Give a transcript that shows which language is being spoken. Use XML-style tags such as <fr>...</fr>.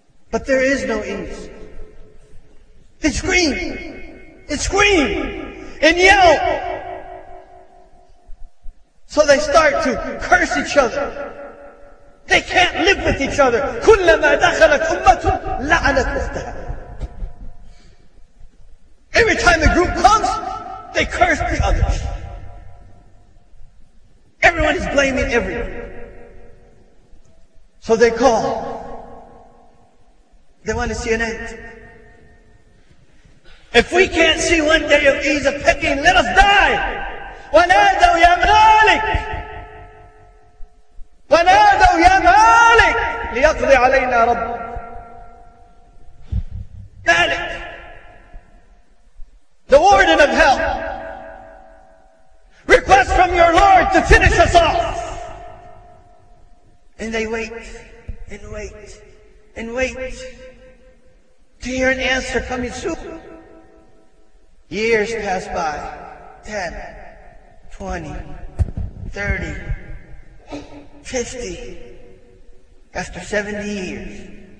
<en>But there is no ease. They scream. They scream and yell. So they start to curse each other. They can't live with each other.</en> <ar>كلما دخلت أمة لعنت أختها.</ar> <en>Every time the group comes, they curse the others. Everyone is blaming everyone. So they call. They want to see an end. If we can't see one day of ease of picking, let us die.</en> <ar>ونادوا يا مالك ونادوا يا مالك ليقضي علينا رب مالك,</ar> <en>the warden of hell. Request from your Lord to finish us off. And they wait and wait and wait to hear an answer coming soon. Years pass by, 10, 20, 30, 50, after 70 years.</en>